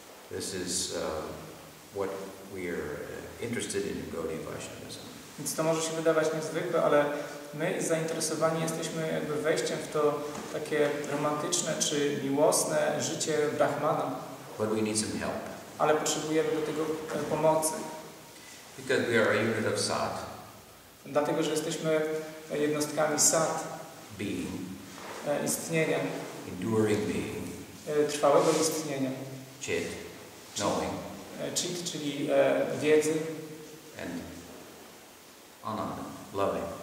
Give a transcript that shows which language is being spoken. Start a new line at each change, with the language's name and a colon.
English: This is what we are interested in Gaudiya Vaishnavism.
Polish: Więc to może się wydawać niezwykłe, ale my zainteresowani jesteśmy jakby wejściem w to takie romantyczne czy miłosne życie Brahmana.
English: But we need some help.
Polish: Ale potrzebujemy do tego pomocy.
English: Because we are a unit of sat.
Polish: Dlatego, że jesteśmy jednostkami sat.
English: Being.
Polish: Istnienia.
English: Enduring being.
Polish: Trwałego istnienia.
English: Chit. Knowing.
Polish: Chit, czyli wiedzy.
English: And ananda. Loving.